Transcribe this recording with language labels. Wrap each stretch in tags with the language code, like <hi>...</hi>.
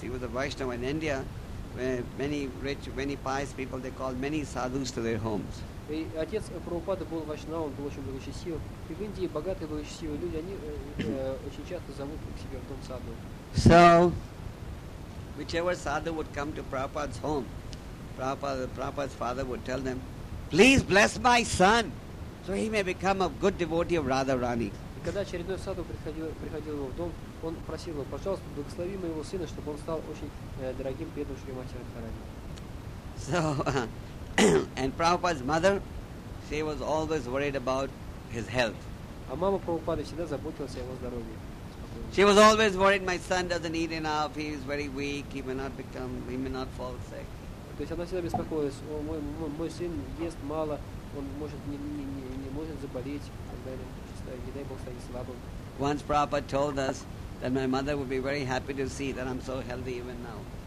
<en>He was a Vaishnava in India, where many rich, many pious people, they called many sadhus to their homes.</en> <ru>И отец Прабхупады был вайшнав, он был очень благочестив. И в Индии богатые благочестивые люди, они очень часто зовут к себе в дом садху.</ru> <en>So, whichever sadhu would come to Prabhupada's home, Prabhupada's father would tell them, please bless my son, so he may become a good devotee of Radharani.</en> <ru>И когда очередной садху приходил его в дом, он просил его, пожалуйста, благослови моего сына, чтобы он стал очень дорогим преданным Шри Мати Радхарани.</ru> <en>So, and Prabhupada's mother, she was always worried about his health.</en> <ru>А мама Прабхупады всегда заботилась о его здоровье.</ru> <en>She was always worried, my son doesn't eat enough, he is very weak, he may not fall sick.</en> <ru>То есть она всегда беспокоилась, о, мой сын ест мало, он может не может заболеть, не дай Бог станет слабым.</ru> <en>Once Prabhupada told us that my mother would be very happy to see that I'm so healthy even now.</en>